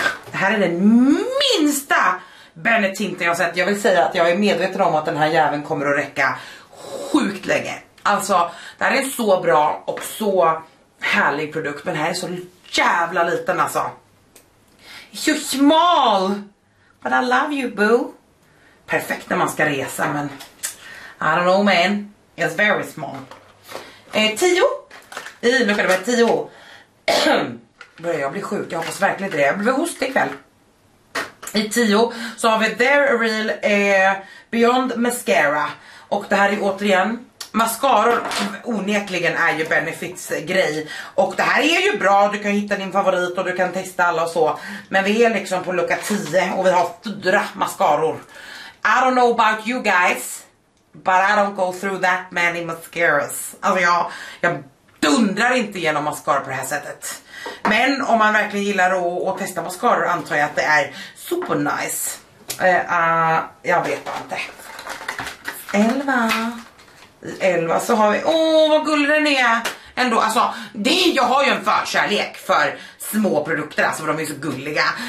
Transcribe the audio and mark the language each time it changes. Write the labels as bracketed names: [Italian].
[Swedish] Det här är den minsta Benny tinten jag har sett. Jag vill säga att jag är medveten om att den här jäveln kommer att räcka sjukt länge. Alltså, det här är så bra och så härlig produkt. Men den här är så jävla liten alltså. [English] So small. But I love you, boo. [Swedish] Perfekt när man ska resa, men [English] I don't know man, it's very small. [Swedish] 10. I, nu kan det vara 10. Börjar jag bli sjuk, jag hoppas verkligen det. Jag blev hostig ikväll. I 10 så har vi Their Real Beyond Mascara. Och det här är återigen mascaror, onekligen är ju Benefits grej. Och det här är ju bra, du kan hitta din favorit och du kan testa alla och så. Men vi är liksom på lucka 10 och vi har 4 mascaror. [English] I don't know about you guys, but I don't go through that many mascaras. [Swedish] Alltså jag dundrar inte genom mascara på det här sättet. Men om man verkligen gillar att testa mascaror, antar jag att det är super nice. Jag vet inte. 11. I 11 så har vi, vad gullig den är. Ändå, alltså, jag har ju en förkärlek för små produkter, alltså för de är så gulliga.